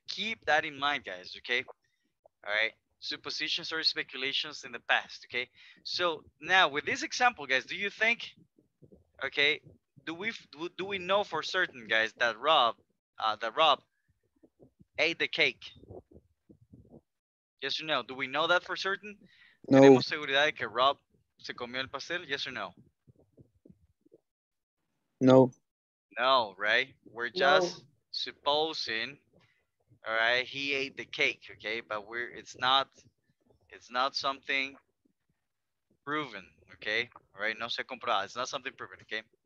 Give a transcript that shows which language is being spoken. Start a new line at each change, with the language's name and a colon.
English: Keep that in mind, guys, okay? All right. Suppositions or speculations in the past, okay? So, now, with this example, guys, do you think, okay, do we know for certain, guys, that Rob ate the cake? Yes or no? Do we know that for certain? No.
Spanish: ¿Tenemos seguridad de que Rob se comió el pastel?
English: Yes or no? No. No, right? We're just supposing, all right, he ate the cake, okay? But it's not something proven, okay? All right,
Spanish: no se comprueba.
English: It's not something proven, okay?